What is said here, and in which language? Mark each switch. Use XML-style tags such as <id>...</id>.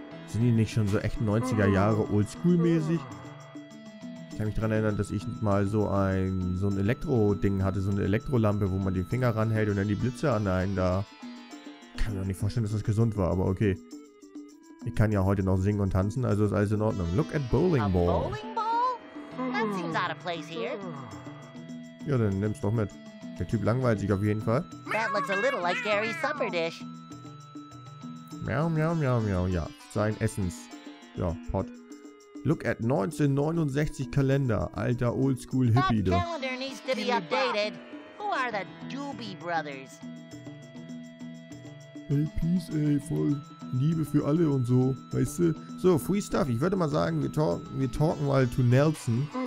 <de>Sind die nicht schon so echt 90er Jahre oldschool-mäßig? Ich kann mich daran erinnern, dass ich mal so ein Elektro-Ding hatte, so eine Elektrolampe, wo man den Finger ranhält und dann die Blitze an einen da. Kann mir doch nicht vorstellen, dass das gesund war, aber okay. Ich kann ja heute noch singen und tanzen, also ist alles in Ordnung.</de> <en>Look at bowling ball. That seems out of place here.</en> <de>Ja, dann nimm's doch mit. Der Typ langweilt sich auf jeden Fall.</de> <en>That looks a little like Gary's supper dish.</en> <de>Miau, miau, miau, miau, ja. Sein Essens. Ja, Pot.</de> <en>Look at</en> <de>1969 Kalender. Alter Oldschool-Hippie da.</de> <en>That calendar needs to be updated. Who are the Doobie Brothers?</en> <de>Hey, peace, ey. Voll Liebe für alle und so. Weißt du? So,</de> <en>free stuff.</en> <de>Ich würde mal sagen, wir talken mal to Nelson.</de>